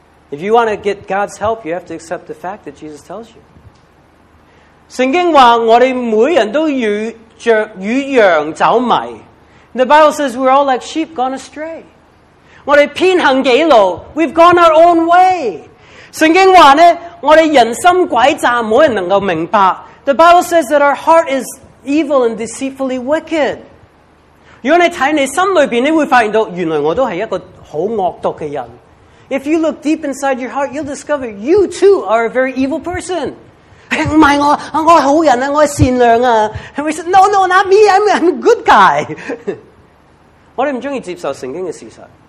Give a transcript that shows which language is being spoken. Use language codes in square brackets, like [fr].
[en] If you want to get God's help, you have to accept the fact that Jesus tells you. [zh] 圣经说我们每人都与羊走迷。 [en] The Bible says we're all like sheep gone astray. [zh] 我们偏行己路, [en] we've gone our own way. [zh] 圣经说我们人心诡诈,没人能够明白。 [en] The Bible says that our heart is evil and deceitfully wicked. [zh] 如果你看你心里面,你会发现到原来我都是一个很恶毒的人。 [en] If you look deep inside your heart, you'll discover you too are a very evil person. [zh] 不是我,我是好人,我是善良。 [en] We said, no, not me, I'm a good guy. [zh] 我们不喜欢接受圣经的事实。